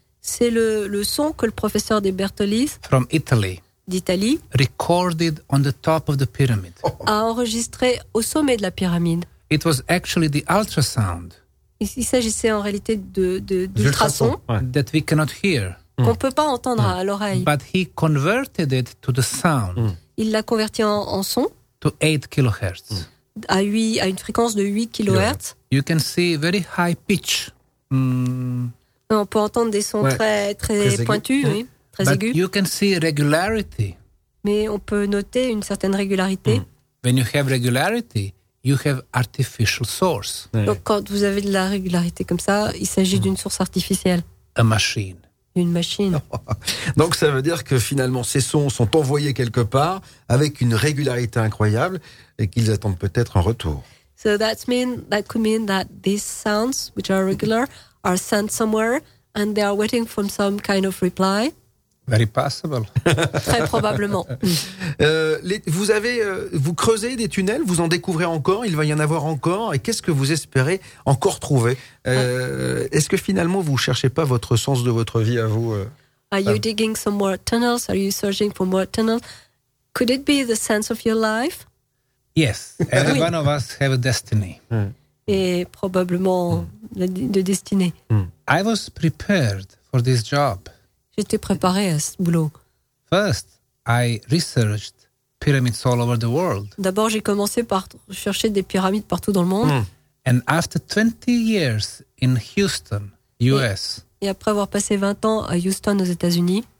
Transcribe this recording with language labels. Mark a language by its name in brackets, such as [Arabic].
[French] C'est le son que le professeur De Bertolis. [English] From Italy. [French] D'Italie. [English] Recorded on the top of the pyramid. [French] A enregistré au sommet de la pyramide. [English] It was actually the ultrasound. [French] Il s'agissait en réalité d'ultrasons [English] that we cannot hear. [French] Qu'on ne peut pas entendre à l'oreille. [English] But he converted it to the sound. [French] Il l'a converti en son. [English] To 8 kHz. [French] À une fréquence de 8 kHz. [English] You can see very high pitch. [French] On peut entendre des sons très pointus, très [English] but [French] aigus. [English] But you can see regularity. [French] Mais on peut noter une certaine régularité. [English] When you have regularity, you have artificial source. [French] Donc quand vous avez de la régularité comme ça, il s'agit d'une source artificielle. [English] A machine. [French] Une machine. Donc ça veut dire que finalement ces sons sont envoyés quelque part avec une régularité incroyable et qu'ils attendent peut-être un retour. [English] So that could mean that these sounds, which are regular, are sent somewhere and they are waiting for some kind of reply. Very possible. [French] Très probablement. Vous creusez des tunnels, vous en découvrez encore, il va y en avoir encore, et qu'est-ce que vous espérez encore trouver? Est-ce que finalement vous ne cherchez pas votre sens de votre vie à vous? [English] Are you digging some more tunnels? Are you searching for more tunnels? Could it be the sense of your life? Yes, every one of us have a destiny. [French] Et probablement de destinée. [English] I was prepared for this job. [French] J'étais préparé à ce boulot. [English] First, I researched pyramids all over the world. [French] D'abord, j'ai commencé par chercher des pyramides partout dans le monde. [English] And after 20 years in Houston, US. [French] Et après avoir passé 20 ans à Houston aux États-Unis,